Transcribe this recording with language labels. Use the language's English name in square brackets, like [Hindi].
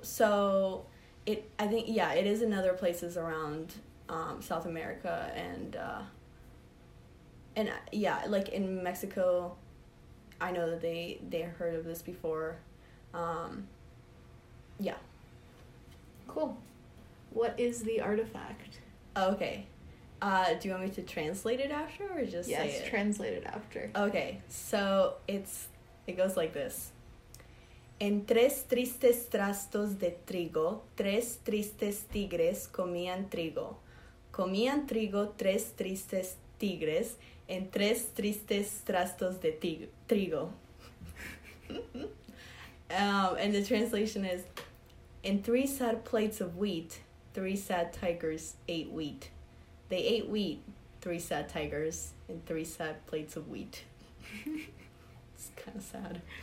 [English] So I think yeah, it is in other places around South America and yeah, like in Mexico, I know that they heard of this before. Yeah. Cool. What is the artifact? Okay. Do you want me to translate it after or just Yes, say it? translate it after. Okay, so it goes like this. [Spanish] En tres tristes trastos de trigo, tres tristes tigres comían trigo. Comían trigo tres tristes tigres en tres tristes trastos de trigo. [English] And the translation is, in three sad plates of wheat, three sad tigers ate wheat. They ate wheat. Three sad tigers and three sad plates of wheat. It's kind of sad.